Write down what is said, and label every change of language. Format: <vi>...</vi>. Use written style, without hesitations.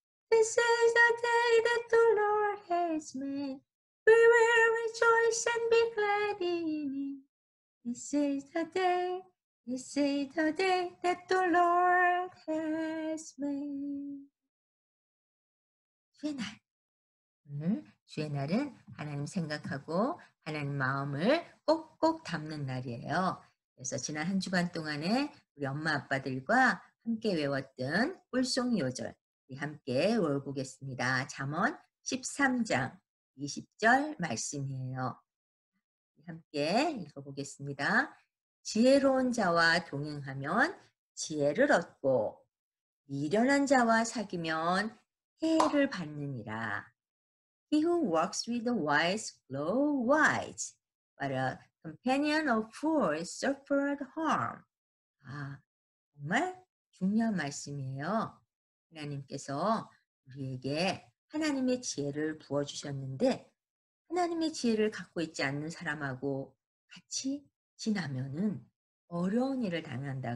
<en>This is the day that the Lord has made. We will rejoice and be glad in it. This is the day. This is the day that the Lord has made.</en> <ko>주의 날. 오늘 주의 날은 하나님 생각하고 하나님 마음을 꼭꼭 담는 날이에요. 그래서 지난 한 주간 동안에 우리 엄마 아빠들과 함께 외웠던 꿀송 요절. 함께 읽어보겠습니다. 잠언 13장 20절 말씀이에요. 함께 읽어보겠습니다. 지혜로운 자와 동행하면 지혜를 얻고 미련한 자와 사귀면 해를 받느니라.</ko> <en>He who walks with the wise grow wise, but a companion of fools suffered harm.</en> <ko>아, 정말 중요한 말씀이에요. 하나님께서 우리에게 하나님의 지혜를 부어주셨는데, 하나님의 지혜를 갖고 있지 않는 사람하고 같이 지나면은 어려운 일을 당한다.</ko>